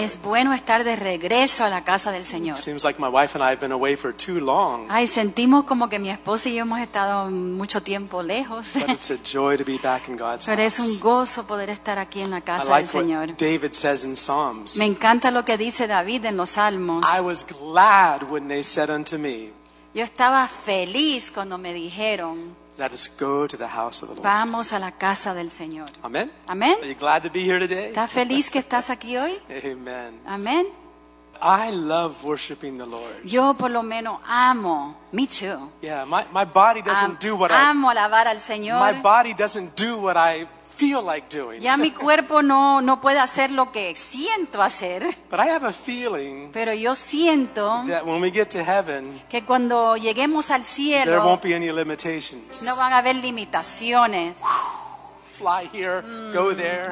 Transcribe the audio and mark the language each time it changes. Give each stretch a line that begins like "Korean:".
Spanish: Es bueno estar de regreso a la casa del Señor.
English: Seems like my wife and I have been away for too long.
Spanish: Ay, sentimos como que mi esposa y yo hemos estado mucho tiempo lejos.
English: But it's a joy to be back in God's
Spanish: house. Pero es un gozo poder estar aquí en la casa del Señor.
English: I like what David says in Psalms.
Spanish: Me encanta lo que dice David en los Salmos.
English: I was glad when they said unto me.
Spanish: Yo estaba feliz cuando me dijeron.
English: Let us go to the house of the Lord.
Spanish: Vamos a la casa del Señor.
English: Amen.
Spanish: Amen.
English: Are you glad to be here today?
Spanish: ¿Estás feliz que estás aquí hoy?
English: Amen.
Spanish: Amen.
English: I love worshiping the Lord.
Spanish: Yo por lo menos amo.
English: Me too. Yeah, my body doesn't do what
Spanish: I amo alabar al Señor.
English: My body doesn't do what I feel like doing.
Spanish: Ya mi cuerpo no puede hacer lo que siento hacer.
English: But I have a feeling.
Spanish: Pero yo siento
English: that when we get to heaven,
Spanish: que cuando lleguemos al cielo,
English: there won't be any limitations.
Spanish: No van a haber limitaciones.
English: Fly here, go there.